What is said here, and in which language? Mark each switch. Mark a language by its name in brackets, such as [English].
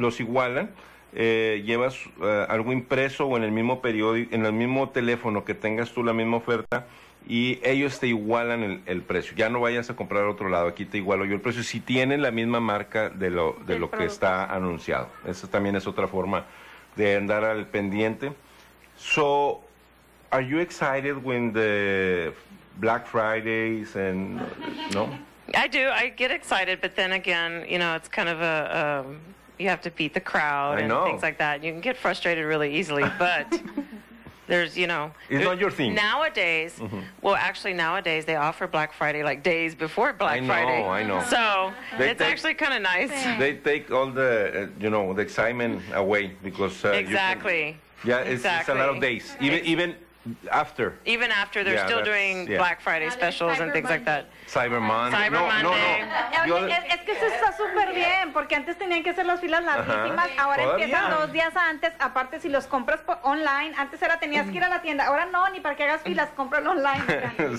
[Spanish] Los igualan, llevas algo impreso o en el mismo periódico, en el mismo teléfono que tengas tú la misma oferta y ellos te igualan el precio. Ya no vayas a comprar a otro lado, aquí te igualo yo el precio. Si tienen la misma marca de lo que está anunciado. Esa también es otra forma de andar al pendiente. [English] So, are you excited when the Black Fridays and no? I do. I get excited, but then again, you know, it's kind of a you have to beat the crowd and things like that. You can get frustrated really easily, but there's, you know, it's not your thing. Nowadays, mm-hmm, well, actually, nowadays they offer Black Friday like days before Black Friday. I know. So it's actually kind of nice. They take all the, you know, the excitement away because exactly. It's a lot of days. Even after, they're still doing Black Friday specials and things like that. Cyber Monday. [Spanish] Es que eso está súper bien, porque antes tenían que hacer las filas larguísimas, ahora empiezan dos días antes, aparte si los compras online, antes era tenías que ir a la tienda, ahora no, ni para que hagas filas, compras online.